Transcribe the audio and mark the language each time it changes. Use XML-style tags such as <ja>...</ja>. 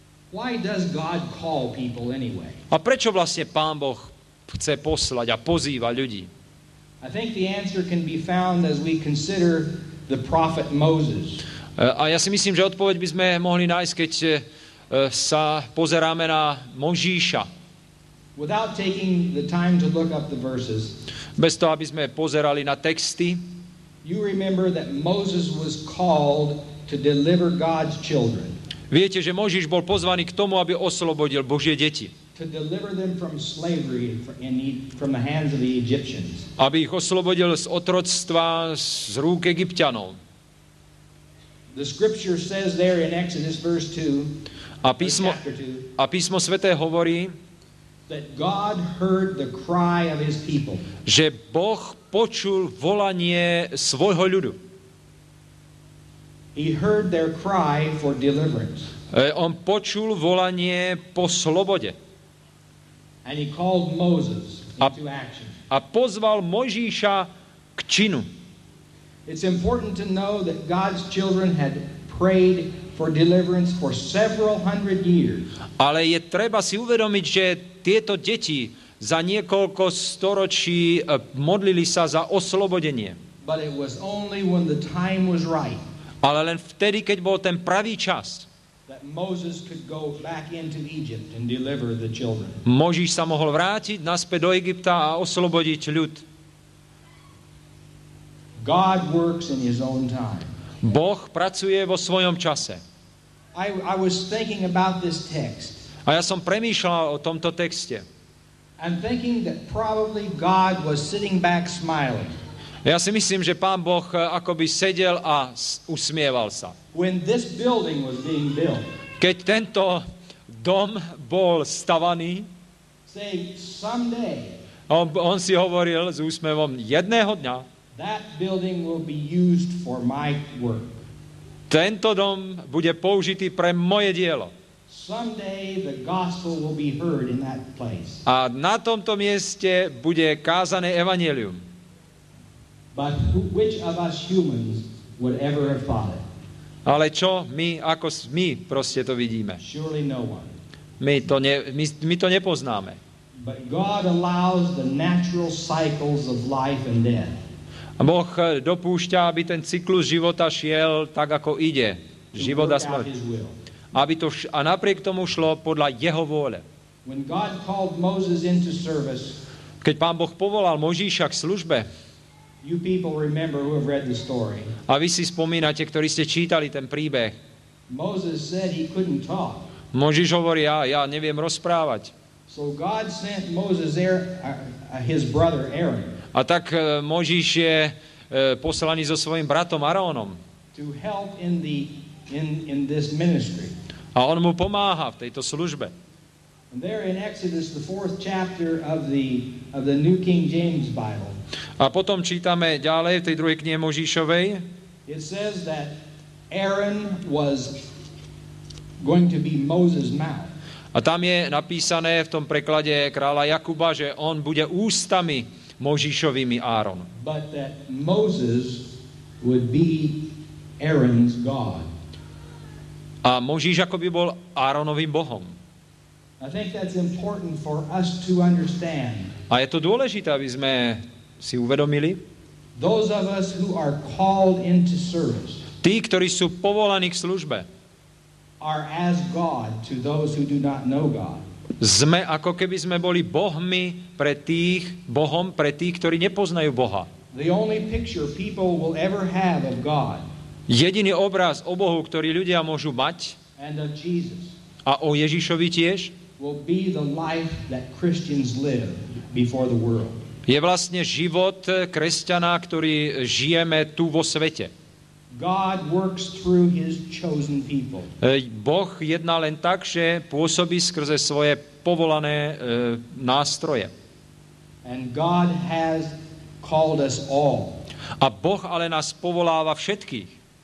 <en>Why does God call people anyway?</en> <sk>A prečo vlastne Pán Boh chce poslať a pozýva ľudí?</sk> <en>I think the answer can be found as we consider the prophet Moses.</en> <sk>A ja si myslím, že odpoveď by sme mohli nájsť, keď sa pozeráme na Mojžíša.</sk> <en>Without taking the time to look up the verses.</en> <sk>Bez toho, aby sme pozerali na texty.</sk> <en>You remember that Moses was called to deliver God's children.</en> <sk>Viete, že Mojžíš bol pozvaný k tomu, aby oslobodil Božie deti.</sk> <en>To deliver them from slavery from the hands of the Egyptians.</en> <sk>Aby ich oslobodil z otroctva z rúk Egypťanov.</sk> <en>The scripture says there in Exodus verse 2.</en> <sk>A písmo sväté hovorí,</sk> <en>that God heard the cry of his people.</en> <sk>Že Boh počul volanie svojho ľudu.</sk> <en>He heard their cry for deliverance.</en> <sk>On počul volanie po slobode.</sk> <en>And he called Moses into action.</en> <sk>A pozval Mojžíša k činu.</sk> <en>It's important to know that God's children had prayed for deliverance for several hundred years.</en> <sk>Ale je treba si uvedomiť, že tieto deti za niekoľko storočí modlili sa za oslobodenie.</sk> <en>But it was only when the time was right.</en> <sk>Ale len vtedy, keď bol ten pravý čas,</sk> <en>that Moses could go back into Egypt and deliver the children.</en> <sk>Mojžíš sa mohol vrátiť naspäť do Egypta a oslobodiť ľud.</sk> <en>God works in his own time.</en> <sk>Boh pracuje vo svojom čase.</sk> <en>I was thinking about this text.</en> <sk>A ja som premýšľal o tomto texte.</sk> <en>I'm thinking that probably God was sitting back smiling.</en> <sk>Ja si myslím, že Pán Boh akoby sedel a usmieval sa.</sk> <en>When this building was being built.</en> <sk>Keď tento dom bol stavaný.</sk> <en>Say someday.</en> <sk>On si hovoril s úsmevom: jedného dňa.</sk> <en>That building will be used for my work.</en> <sk>Tento dom bude použitý pre moje dielo.</sk> <en>Someday the gospel will be heard in that place.</en> <sk>A na tomto mieste bude kázané evanjelium.</sk> <en>But which of us humans would ever have thought it?</en> <sk>Ale čo my, ako my proste to vidíme?</sk> <en>Surely no one.</en> <sk>My to nepoznáme.</sk> <en>But God allows the natural cycles of life and death.</en> <sk>A Boh dopúšťa, aby ten cyklus života šiel tak, ako ide. Život a smrť. Aby to a napriek tomu šlo podľa jeho vôle.</sk> <en>When God called Moses into service,</en> <sk>keď Pán Boh povolal Mojžíša k službe,</sk> <en>you people remember who have read the story.</en> <sk>A vy si spomínate, ktorí ste čítali ten príbeh.</sk> <en>Moses said he couldn't talk.</en> <sk>Mojžiš hovorí, ja neviem rozprávať.</sk> <en>So God sent Moses there, his brother Aaron.</en> <sk>A tak Mojžiš je poslaný so svojím bratom Aaronom.</sk> <en>To help in the in this ministry.</en> <sk>A on mu pomáha v tejto službe.</sk> <en>And there in Exodus, the fourth chapter of the New King James Bible.</en> <sk>A potom čítame ďalej v tej druhej knihe Mojžišovej.</sk> <en>It says that Aaron was going to be Moses' mouth.</en> <sk>A tam je napísané v tom preklade kráľa Jakuba, že on bude ústami Mojžišovými Aaron.</sk> <en>But that Moses would be Aaron's God.</en> <sk>A Mojžiš akoby bol Aaronovým Bohom.</sk> <en>I think that's important for us to understand.</en> <sk>A je to dôležité, aby sme si uvedomili.</sk> <en>Those of us who are called into service.</en> <sk>Tí, ktorí sú povolaní k službe.</sk> <en>Are as God to those who do not know God.</en> <sk>Sme ako keby sme boli Bohmi pre tých, Bohom pre tých, ktorí nepoznajú Boha.</sk> <en>The only picture people will ever have of God.</en> <sk>Jediný obraz o Bohu, ktorý ľudia môžu mať.</sk> <en>And of Jesus.</en> <sk>A o Ježišovi tiež.</sk> <en>Will be the life that Christians live before the world.</en> <sk>Je vlastne život kresťana, ktorý žijeme tu vo svete.</sk> <en>God works through his chosen people.</en> <sk>Boh jedná len tak, že pôsobí skrze svoje povolané nástroje.</sk> <en>And God has called us all.</en> <sk>A Boh ale nás povoláva všetkých.</sk>